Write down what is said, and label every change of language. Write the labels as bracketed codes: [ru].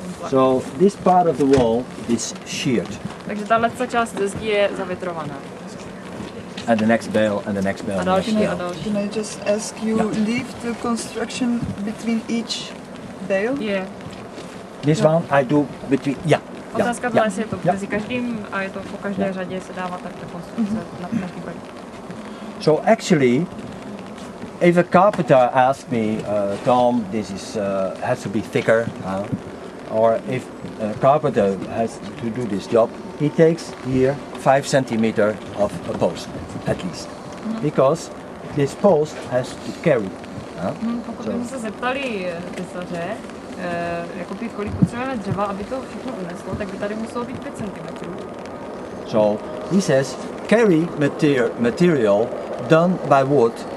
[en] So this part of the wall is sheared. [cs] Takže tahle část zdi je zavětrovaná. [en] And the next bail, and the next bail. Can I just ask you, leave the construction between each bail? Yeah. This one I do between. Yeah. [cs] Otázka byla, jestli je to mezi každým a je to po každé řadě se dává takto konstrukce. [en] So actually. If a carpenter asks me, Tom, this is has to be thicker, or if a carpenter has to do this job, he takes here 5 centimeters of a post, at least, because this post has to carry. [cs] Pokud bychom se zeptali tesaře, jakoby kolik potřebujeme dřeva, aby to všechno uneslo, tak by tady muselo být 5 centimetrů. [en] So he says, carry material done by wood.